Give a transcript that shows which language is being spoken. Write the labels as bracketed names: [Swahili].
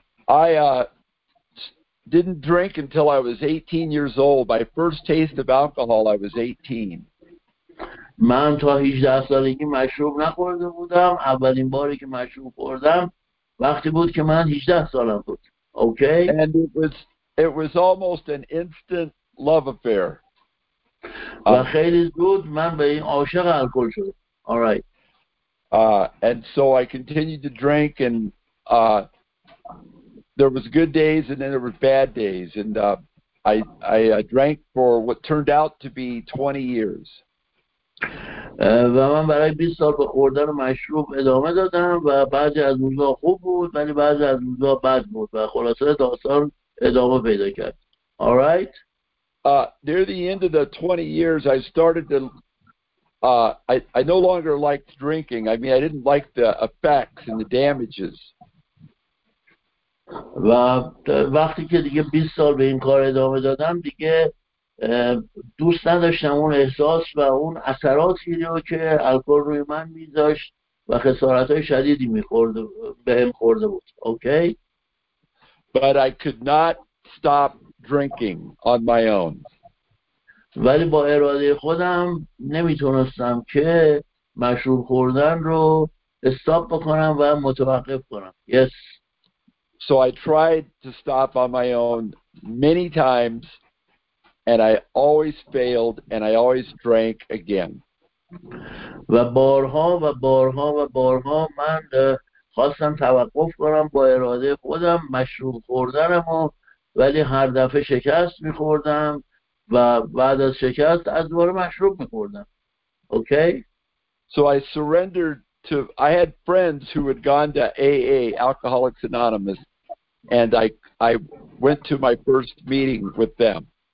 [English] I didn't drink until I was 18 years old. My first taste of alcohol, I was 18. [Persian] من تا 18 سالگی مشروب نخورده بودم. اولین باری که مشروب خوردم وقتی بود که من 18 سالم بود. [English] Okay. And it was almost an instant love affair. [Persian] خیلی زود من به این عاشق الکل شدم. [English] All right. And so I continued to drink, and there was good days, and then there were bad days, and I drank for what turned out to be 20 years. [Persian] و من برای 20 سال به خوردن مشروب ادامه دادم و بعضی از روزها خوب بود ولی بعضی از روزها بد بود و خلاصه داستان ادامه پیدا کرد. [English] All right. Near the end of the 20 years I started to I no longer liked drinking. I mean I didn't like the effects and the damages. [Persian] و وقتی که دیگه 20 سال به این کار ادامه دادم دیگه دوست نداشتم اون احساس و اون اثراتی رو که الکل روی من می‌ذاشت و خسارت‌های شدیدی می‌خورد بهم خورده بود. اوکی؟ [English] But I could not stop drinking on my own. [Persian] ولی با اراده خودم نمیتونستم که مشروب خوردن رو استاپ بکنم و متوقف کنم. [English] Yes. So I tried to stop on my own many times. And I always failed, and I always drank again. [Persian] و بارها و بارها و بارها من خواستم توقف کنم با اراده خودم مشروب خوردنم و ولی هر دفعه شکست می‌خوردم و بعد از شکست از دوباره مشروب می‌خوردم. [English] Okay? So I surrendered to. I had friends who had gone to AA, Alcoholics Anonymous, and I went to my first meeting with them.